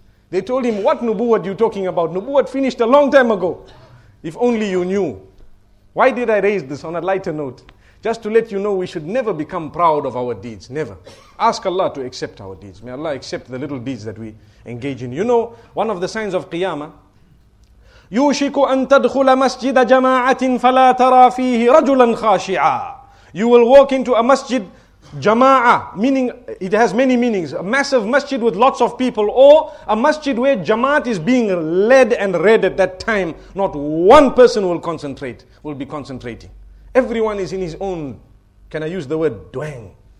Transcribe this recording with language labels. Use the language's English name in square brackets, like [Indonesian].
[English] They told him, "What nubuwat you talking about? Nubuwat finished a long time ago. If only you knew." Why did I raise this on a lighter note? Just to let you know, we should never become proud of our deeds. Never. Ask Allah to accept our deeds. May Allah accept the little deeds that we engage in. You know, one of the signs of Qiyamah, [Arabic] يُوشِكُ أَن تَدْخُلَ مَسْجِدَ جَمَاعَةٍ فَلَا تَرَى فِيهِ رَجُلًا خَاشِعًا. [English] You will walk into a masjid, jama'ah, meaning it has many meanings, a massive masjid with lots of people, or a masjid where jama'at is being led and read at that time, not one person will be concentrating. Everyone is in his own, can I use the word, dwang.